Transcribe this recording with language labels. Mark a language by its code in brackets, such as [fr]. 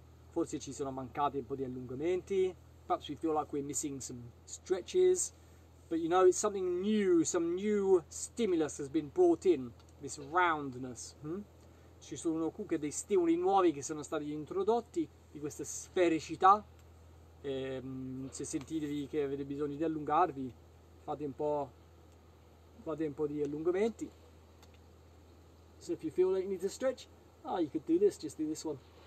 [it] Forse ci sono mancati un po' di allungamenti. [en] Perhaps we feel like we're missing some stretches. But you know, it's something new, some new stimulus has been brought in, this roundness. [it] Ci sono comunque dei stimoli nuovi che sono stati introdotti, di questa sfericità. Se sentitevi che avete bisogno di allungarvi, fate un po' di allungamenti. [en] So if you feel like you need to stretch, you could do this, just do this one.